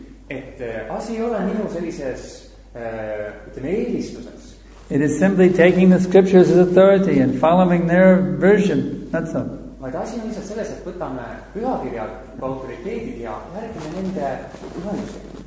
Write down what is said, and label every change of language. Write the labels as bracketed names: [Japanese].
[Estonian] Et asi ei ole minu sellises, ütleme, eelistuses. [English] It is simply taking the scriptures as authority and following their version, that's all. [Estonian] Vaid asi on lihtsalt selles, et võtame pühakirjad ka autoriteedid ja järgime nende ühenduse.